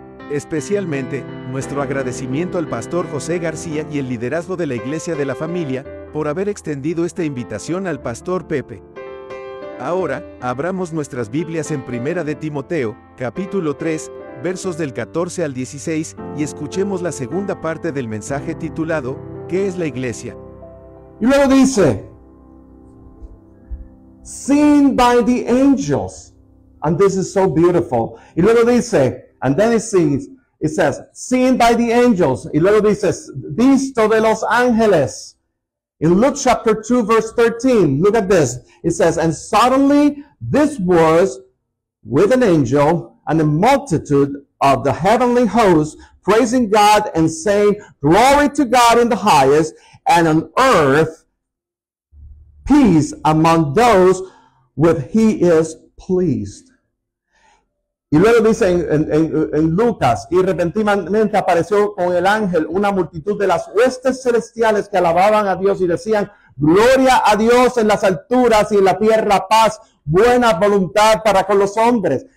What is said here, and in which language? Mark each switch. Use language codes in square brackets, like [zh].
[es] Especialmente, nuestro agradecimiento al Pastor José García y el liderazgo de la Iglesia de la Familia, por haber extendido esta invitación al Pastor Pepe. Ahora, abramos nuestras Biblias en Primera de Timoteo, capítulo 3, versos del 14 al 16, y escuchemos la segunda parte del mensaje titulado, ¿Qué es la Iglesia? Y luego dice, [en] seen by the angels, and this is so beautiful. [es] Y luego dice, [en] and then it says, seen by the angels, [es] y luego dice, visto de los ángeles. [en] In Luke chapter 2, verse 13, look at this. It says, and suddenly this was with an angel and a multitude of the heavenly host praising God and saying, glory to God in the highest, and on earth peace among those with he is pleased. [es] Y luego dice en Lucas, y repentinamente apareció con el ángel una multitud de las huestes celestiales que alababan a Dios y decían, gloria a Dios en las alturas y en la tierra, paz, buena voluntad para con los hombres.